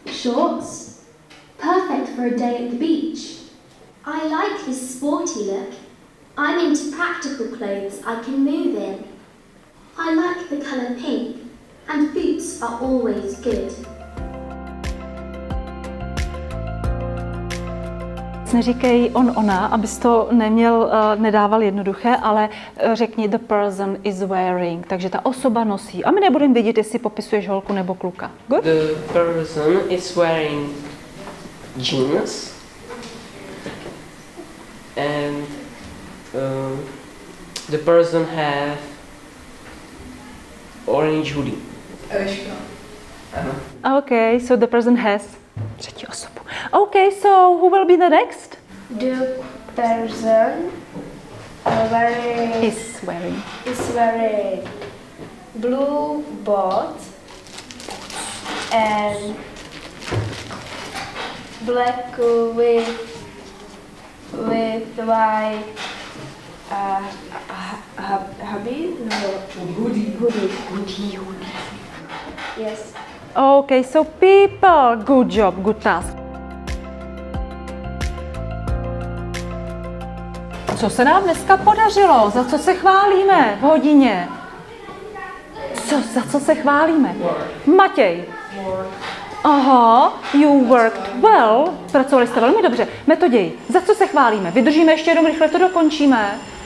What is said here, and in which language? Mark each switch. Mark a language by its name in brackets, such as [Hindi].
[English] Shorts, perfect for a day at the beach. I like this sporty look. I'm into practical clothes I can move in. I like the colour pink, and boots are always good. [Czech] Neříkej on, ona, abys to neměl, nedával jednoduché, ale řekni [English] the person is wearing, [Czech] takže ta osoba nosí. A my nebudeme vidět, jestli popisuješ holku nebo kluka. [English] Good? The person is wearing jeans and the person has orange hoodie. Eliška. [Czech] Ano. [English] Okay, so the person has [Czech] třetí osobu. [English] Okay, so who will be the next? The person is wearing blue boots and black with white hoodie. Yes. Okay, so people, good job, good task. [Czech] Co se nám dneska podařilo? Za co se chválíme v hodině? Co, za co se chválíme? [English] Work. Matěj. Work. Aha, you worked well. [Czech] Pracovali jste velmi dobře. Metoděj, za co se chválíme? Vydržíme ještě jednou, rychle to dokončíme.